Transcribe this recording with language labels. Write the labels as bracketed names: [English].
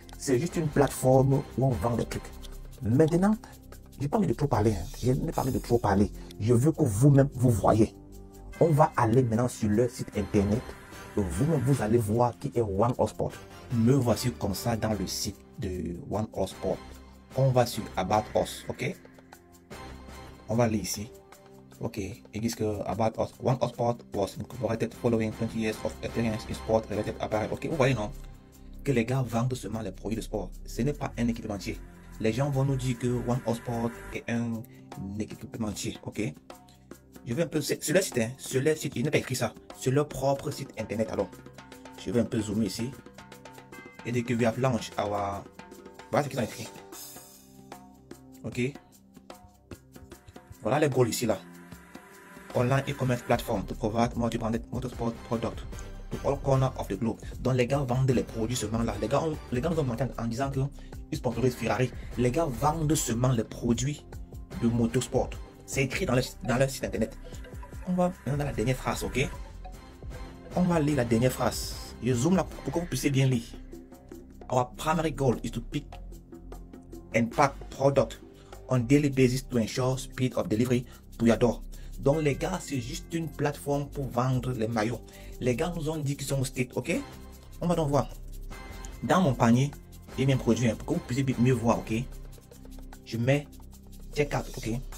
[French] C'est juste une plateforme où on vend des trucs. Maintenant, j'ai pas envie de trop parler. Hein. J'ai pas envie de trop parler. Je veux que vous-même, vous voyez. On va aller maintenant sur leur site internet. Vous-même, vous allez voir qui est One Sport. Me voici comme ça dans le site de One Sport. On va sur About Us, ok? On va aller ici. Ok, ils disent que [English] About Us, One Sport was incorporated following 20 years of experience in sport related apparel. [French] Ok, vous voyez non? Que les gars vendent seulement les produits de sport. Ce n'est pas un équipementier. Les gens vont nous dire que One Sport est un équipementier, ok? Je vais un peu, sur leur site, hein? Sur leur site, ils n'ont pas écrit ça. Sur leur propre site internet, alors. Je vais un peu zoomer ici. Et dès que [English] we have launched our... [French] Voilà ce qu'ils ont écrit. Ok, voilà les goals ici là. [English] Online e-commerce platform to provide multi-branded motorsport product to all corners of the globe. [French] Donc les gars vendent les produits seulement là. Les gars nous ont menti en disant que ils sponsorisent Ferrari. Les gars vendent seulement les produits de motorsport. C'est écrit dans leur site internet. On va maintenant dans la dernière phrase, ok? On va lire la dernière phrase. Je zoome là pour que vous puissiez bien lire. [English] Our primary goal is to pick and pack product on daily basis to ensure speed of delivery to your door. [French] Donc les gars, c'est juste une plateforme pour vendre les maillots. Les gars nous ont dit qu'ils sont au state, ok? On va donc voir. Dans mon panier, j'ai mes produits, hein, pour que vous puissiez mieux voir, ok? Je mets checkout, ok?